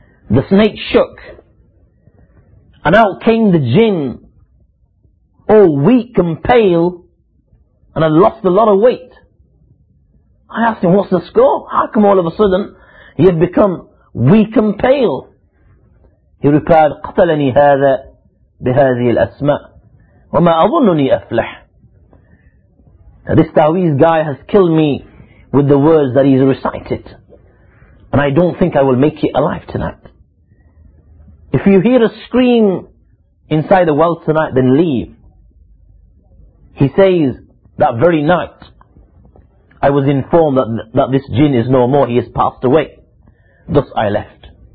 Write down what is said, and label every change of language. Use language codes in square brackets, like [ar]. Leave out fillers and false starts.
[en] The snake shook, and out came the jinn, all weak and pale, and had lost a lot of weight. I asked him, what's the score? How come all of a sudden he had become weak and pale? He replied, [ar] قَتَلَنِي هَذَا بِهَذِهِ الْأَسْمَاءِ وَمَا أَظُنُّنِي أَفْلَحِ. [en] Now this ta'weez guy has killed me with the words that he's recited, and I don't think I will make it alive tonight. If you hear a scream inside the well tonight, then leave. He says, that very night I was informed that this jinn is no more, he has passed away. Thus I left.